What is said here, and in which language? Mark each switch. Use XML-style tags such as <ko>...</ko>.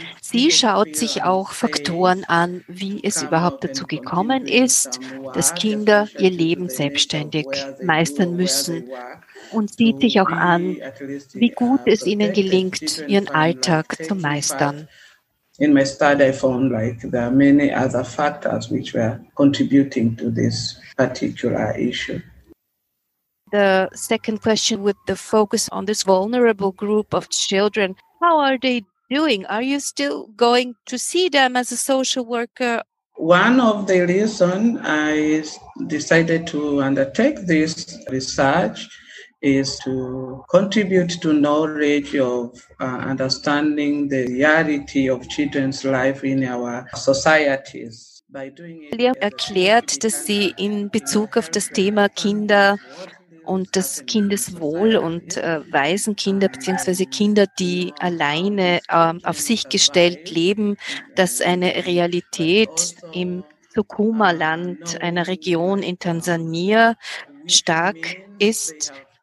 <de>Sie schaut sich auch Faktoren an, wie es überhaupt dazu gekommen ist, dass Kinder ihr Leben selbstständig meistern müssen. Und sieht sich auch an, wie gut es ihnen gelingt, ihren Alltag zu meistern.</de> <en>In my study, I found like there are many other factors which were contributing to this particular issue. The second question, with the focus on this vulnerable group of children, how are they doing? Are you still going to see them as a social worker? One of the reasons I decided to undertake this research is to contribute to knowledge of understanding the reality of children's life in our societies.</en> <de>Lea erklärt, dass sie in Bezug auf das Thema Kinder und das Kindeswohl und Waisenkinder bzw. Kinder, die alleine auf sich gestellt leben, dass eine Realität im Sukuma-Land, einer Region in Tansania, stark ist.</de>